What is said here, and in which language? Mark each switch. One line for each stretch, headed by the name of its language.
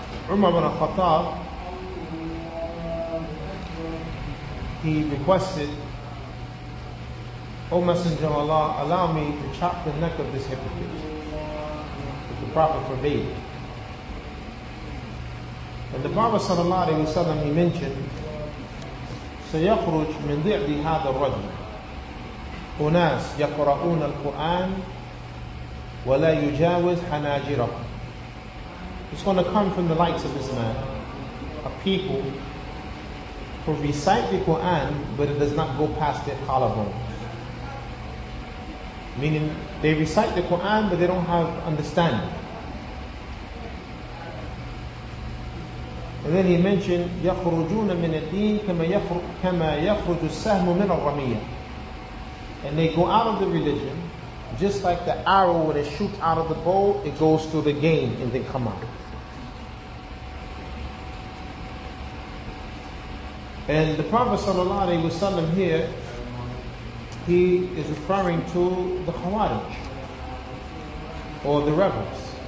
English: Umar ibn al-Khattab, he requested, "O Messenger of Allah, allow me to chop the neck of this hypocrite." But the Prophet forbade. And the Prophet sallallahu alayhi wa sallam, he mentioned,
Arabic: "سيخرج من ضعف هذا الرجل أناس يقرؤون القرآن ولا يجاوز حناجره."
English: It's going to come from the likes of this man, a people to recite the Quran, but it does not go past their collarbone. Meaning, they recite the Quran, but they don't have understanding. And then he mentioned,
Arabic: يَخْرُجُونَ مِنَ الدِّينِ كَمَا يَخْرُجُ السَّهْمُ مِنَ الرَّمِيَّةِ.
English: And they go out of the religion, just like the arrow when it shoots out of the bow, it goes through the game and then come out. And the Prophet sallallahu alaihi wasallam here, he is referring to the Khawarij or the rebels.